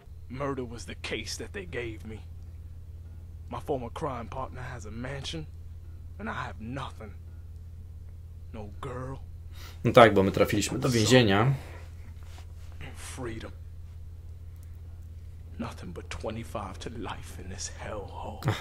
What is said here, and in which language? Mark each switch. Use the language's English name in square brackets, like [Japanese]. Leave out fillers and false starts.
[English] Murder was the case that they gave me. My former crime partner has a mansion, and I have nothing. No girl. [Polish] No tak, bo my trafiliśmy do więzienia. [English] Freedom. Nothing but 25 to life in this hellhole.